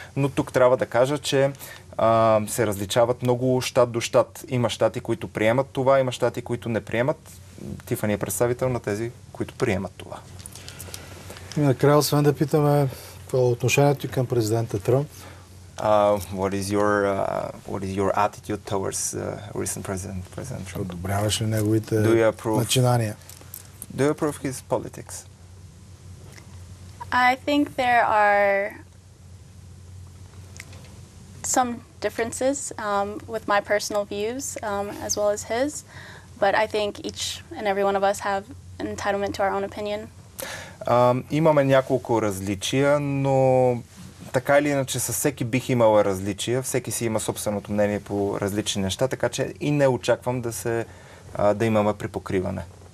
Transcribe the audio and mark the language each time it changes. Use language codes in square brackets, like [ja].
[bg] Но тук трябва да кажа, че се различават много щат до щат. Има щати, които приемат това, има щати, които не приемат. Тифани е представител на тези, които приемат това. И накрая, освен да питаме по отношението и към президента Тръмп. [en] What is your attitude towards recent president Trump? [bg] Одобряваш ли неговите начинания? [en] Do you approve his politics? I think there are some differences with my personal views as well as his, but I think each and every one of us have an entitlement to our own opinion. [bg] Имаме няколко различия, но така или иначе със всеки бих имала различия, всеки си има собственото мнение по различни неща, така че и не очаквам да имаме припокриване.